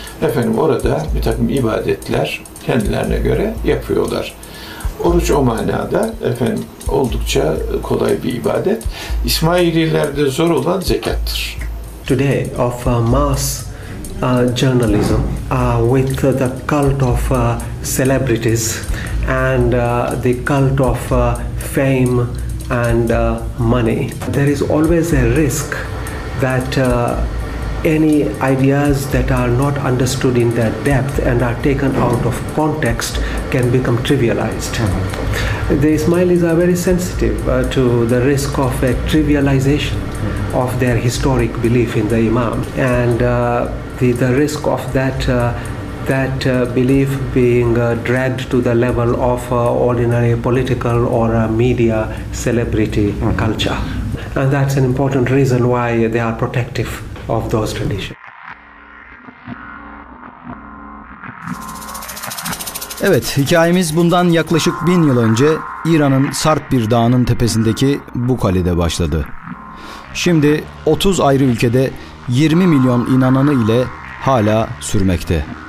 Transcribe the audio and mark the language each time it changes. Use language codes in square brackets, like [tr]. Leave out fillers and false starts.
[tr] Efendim orada bir takım ibadetler kendilerine göre yapıyorlar. Oruç o manada efendim oldukça kolay bir ibadet. İsmaililerde zor olan zekattır. [en] Today of Mass journalism with the cult of celebrities and the cult of fame and money. There is always a risk that any ideas that are not understood in their depth and are taken out of context can become trivialized. The Ismailis are very sensitive to the risk of a trivialization of their historic belief in the Imam. And the risk of that belief being dragged to the level of ordinary political or media celebrity culture. And that's an important reason why they are protective of those traditions. [tr] Evet, hikayemiz bundan yaklaşık 1000 yıl önce İran'ın sert bir dağının tepesindeki bu kalede başladı. Şimdi 30 ayrı ülkede 20 milyon inananı ile hala sürmekte.